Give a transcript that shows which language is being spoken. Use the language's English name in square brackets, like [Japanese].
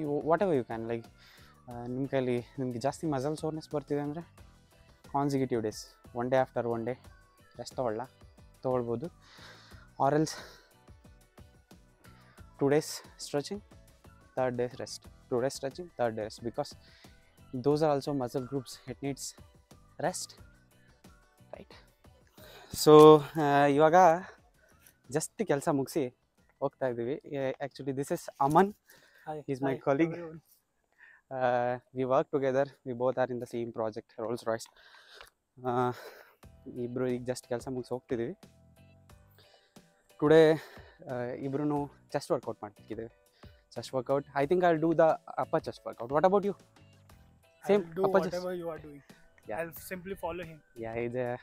[English] whatever you can, like [Kannada] ನಿಮ್ಮ ಕೈಲಿ ನಿಮಗೆ ಜಾಸ್ತಿ [English] muscle soreness [Kannada] ಬರ್ತಿದೆ ಅಂದರೆ [English] consecutive days, one day after one day rest [Kannada] ತೊಗೊಳ್ಬೋದು. [English] Or else 2 days stretching, third day rest. 2 days stretching, third day rest, because those are also muscle groups, it needs rest, right? [Kannada] So ivaga just kelsa mugsi hogta idivi. [English] Actually this is Aman. Hi, he's my colleague. We work together, we both are in the same project, Rolls Royce. [Kannada] ಇಬ್ರು ಈಗ just ಕೆಲಸ ಮುಗಿಸಿ ಹೋಗ್ತಿದ್ದೀವಿ. Today ಇಬ್ರು chest workout ಮಾಡ್ತಿದ್ದೀವಿ. [English] Chest workout, I think I will do the upper chest workout. What about you? Same upper chest. You are doing, I will simply follow him. Yeah, is